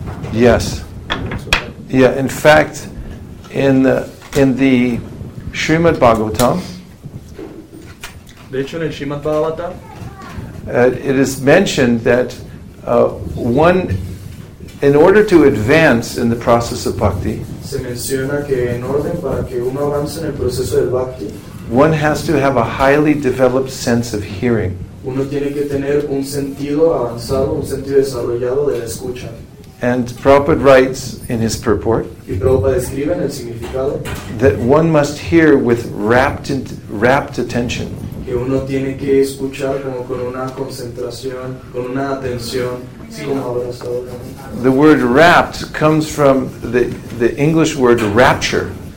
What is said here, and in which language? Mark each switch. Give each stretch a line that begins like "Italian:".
English: Yes. Yeah, in fact, in the Srimad Bhagavatam,
Spanish: de hecho, en el Srimad Bhagavatam,
English: It is mentioned that one, in order to advance in the process of bhakti,
Spanish: se menciona que en orden para que uno avance en el proceso del bhakti,
English: one has to have a highly developed sense of hearing.
Spanish: Uno tiene que tener un sentido avanzado, un sentido desarrollado de la escucha.
English: And Prabhupada writes in his purport that one must hear with rapt attention.
Spanish: Que uno tiene que escuchar como con una concentración, con una atención, así como abrazado.
English: The word rapt comes from the English word rapture.